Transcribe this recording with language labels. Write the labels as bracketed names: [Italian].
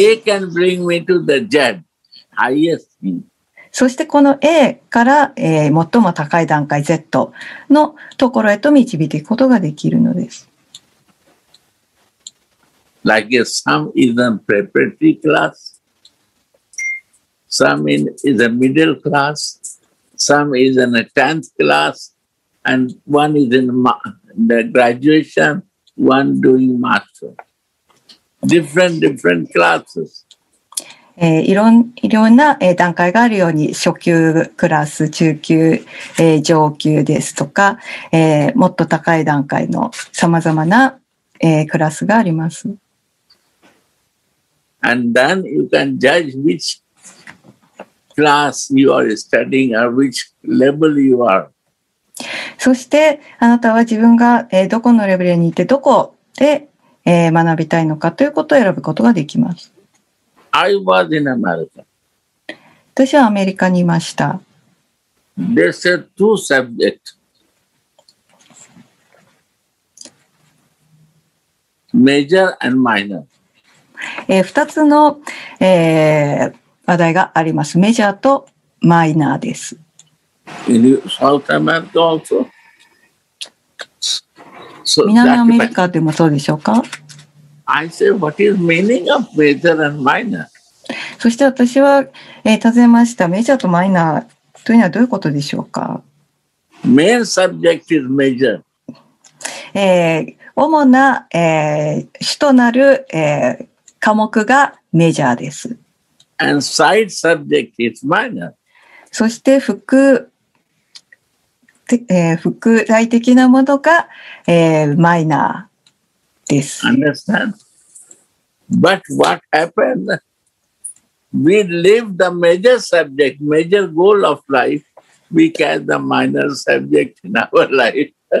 [English] This A can bring me to the Z, highest thing. [Japanese] そしてこの A から、最も高い段階 Z のところへと導いていくことができるのです。 [English] Like a sum is a preparatory class, sum is a middle class. Some is in a 10th class, and one is in the graduation, one doing master. Different, different classes. [Japanese] いろんな段階があるように、初級クラス、中級、上級ですとか、もっと高い段階のさまざまな、クラスがあります。 [English] And then you can judge whichclass you are studying or which level you are. [Japanese] そしてあなたは自分がどこのレベルにいてどこで学びたいのかということを選ぶことができます。 [English] I was in America. [Japanese] 私はアメリカにいました。 [English] There's a two subjects. Major and minor. [Japanese] 2つの話題があります。メジャーとマイナーです。 [English] In South America also? [Japanese] So, 南アメリカでもそうでしょうか? [English] I say, what is meaning of major and minor? [Japanese] そして私は、尋ねました。メジャーとマイナーというのはどういうことでしょうか? [English] Main subject is major. [Japanese] 主な、主となる、科目がメジャーです。 [English] And side subject is minor. [Japanese] そして副、副題的なものが、マイナーです。 [English] Understand? But what happened? We leave the major subject, major goal of life, we carry the minor subject in our life.